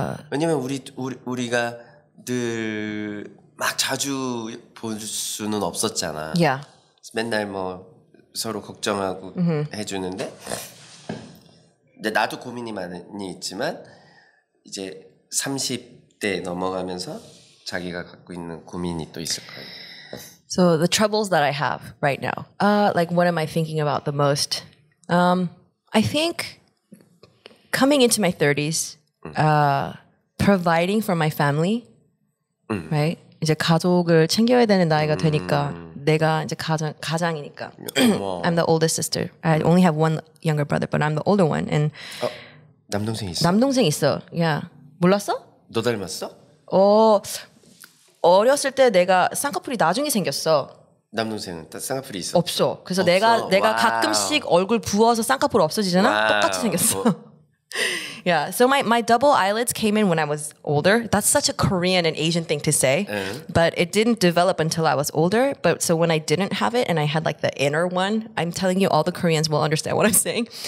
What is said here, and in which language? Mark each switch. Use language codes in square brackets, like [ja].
[ko] 왜냐면 우리가 늘 막 자주 볼 수는 없었잖아. [en] Yeah. [ko] 맨날 뭐 서로 걱정하고 mm-hmm. 해주는데 근데 나도 고민이 많이 있지만 이제 30대 넘어가면서 자기가 갖고 있는 고민이 또 있을 거야. [en] So the troubles that I have right now. Like what am I thinking about the most? I think coming into my 30s, providing for my family, right? [ko] 이제 가족을 챙겨야 되는 나이가 되니까 내가 이제 가장이니까. [en] I'm the oldest sister. I only have one younger brother, but I'm the older one. And [ko] 남동생 있어. 남동생 있어. [en] Yeah. [ko] 몰랐어? 너 닮았어? 어렸을 때 내가 쌍꺼풀이 나중에 생겼어. 남동생은 쌍꺼풀이 있어? 없어. 그래서 없어? 내가 와우. 가끔씩 얼굴 부어서 쌍꺼풀 없어지잖아. 와우. 똑같이 생겼어. [en] Yeah, so my double eyelids came in when I was older. That's such a Korean and Asian thing to say. Uh-huh. But it didn't develop until I was older. But so when I didn't have it and I had like the inner one, I'm telling you all the Koreans will understand what I'm saying.